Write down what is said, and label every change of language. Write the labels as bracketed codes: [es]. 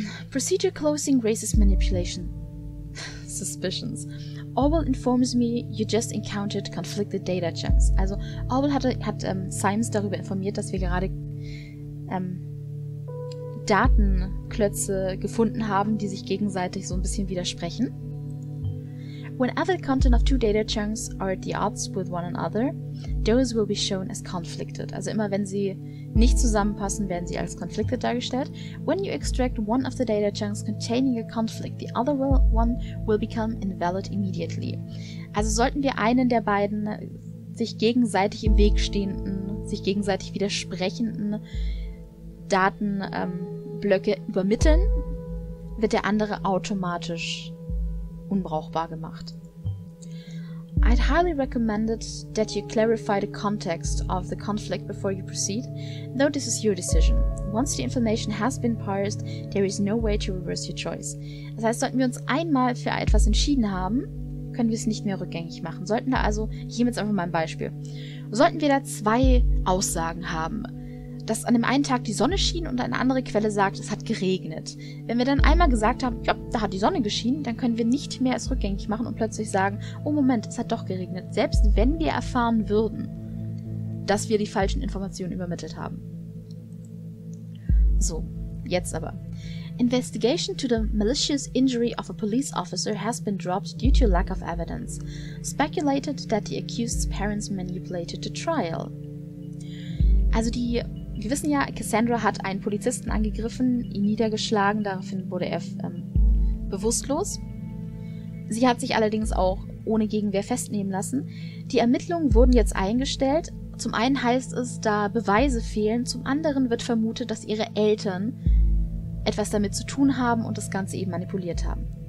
[en] Procedure Closing Racist Manipulation Suspicions. Orwell informs me you just encountered conflicted data chunks. [de] Also Orwell hat Symes darüber informiert, dass wir gerade Datenklötze gefunden haben, die sich gegenseitig so ein bisschen widersprechen. [en] Whenever the content of two data chunks are at the odds with one another, those will be shown as conflicted. [de] Also immer wenn sie nicht zusammenpassen, werden sie als conflicted dargestellt. [en] When you extract one of the data chunks containing a conflict, the other one will become invalid immediately. [de] Also sollten wir einen der beiden sich gegenseitig im Weg stehenden, sich gegenseitig widersprechenden Datenblöcke übermitteln, wird der andere automatisch unbrauchbar gemacht. [en] I'd highly recommend that you clarify the context of the conflict before you proceed. No, this is your decision. Once the information has been parsed, there is no way to reverse your choice. [de] Das heißt, sollten wir uns einmal für etwas entschieden haben, können wir es nicht mehr rückgängig machen. Sollten wir also, hier jetzt einfach mal ein Beispiel. Sollten wir da zwei Aussagen haben, dass an dem einen Tag die Sonne schien und eine andere Quelle sagt, es hat geregnet. Wenn wir dann einmal gesagt haben, ja, da hat die Sonne geschienen, dann können wir nicht mehr es rückgängig machen und plötzlich sagen, oh Moment, es hat doch geregnet. Selbst wenn wir erfahren würden, dass wir die falschen Informationen übermittelt haben. So, jetzt aber. [en] Investigation to the malicious injury of a police officer has been dropped due to lack of evidence. Speculated that the accused's parents manipulated the trial. [de] Also die, wir wissen ja, Cassandra hat einen Polizisten angegriffen, ihn niedergeschlagen, daraufhin wurde er bewusstlos. Sie hat sich allerdings auch ohne Gegenwehr festnehmen lassen. Die Ermittlungen wurden jetzt eingestellt. Zum einen heißt es, da Beweise fehlen, zum anderen wird vermutet, dass ihre Eltern etwas damit zu tun haben und das Ganze eben manipuliert haben.